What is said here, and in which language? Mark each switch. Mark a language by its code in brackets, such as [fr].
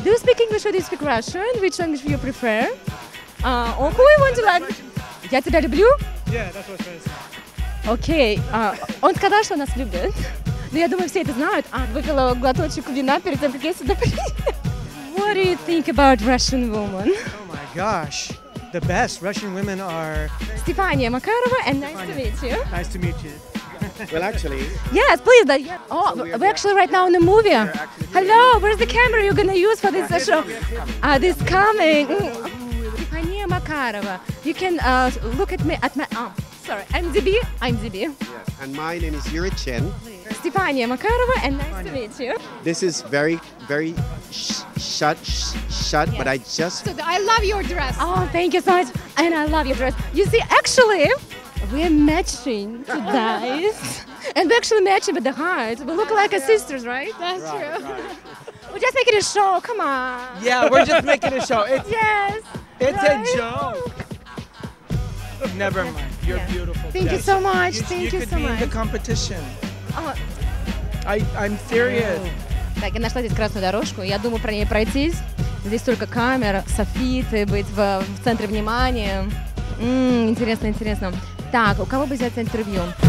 [en] Do you speak English or do you speak Russian? Which language do you prefer? Who you want to like? [ru] Я тебя люблю? [en] Yeah, that's what I was saying. [ru] Okay. Он сказал, что нас любит. Ну, я думаю, все это знают. Выпила глоточек вина перед тем, как я сюда приехала. [en] What do you think about Russian women? Oh my gosh, the best Russian women are... Stefania Makarova, and Stefania. Nice to meet you. Nice to meet you. Well, actually... Yes, please. Oh, so we're actually right now in the movie. Hello, where's the camera you're gonna use for this show? This coming. Stefania Makarova, you can look at me, at my arm. Sorry, I'm DB. Yes. And my name is Yuri Chen. Stefania Makarova, and nice to meet you. This is very, very shut, yes. But I just... So I love your dress. Oh, thank you so much. And I love your dress. You see, actually, we're matching to guys. And we're actually matching with the heart. We look like sisters, right? That's right, true. Right. We're just making a show, come on. Yeah, we're just making a show. It's, yes. It's right? A joke. Never mind. You're beautiful. Thank you so much. You could be in the competition. I'm serious. [ru] Так, я нашла здесь красную дорожку. Я думаю про нее пройтись. Здесь только камера, софиты, быть в центре внимания. Интересно, интересно. Так, у кого бы взять интервью?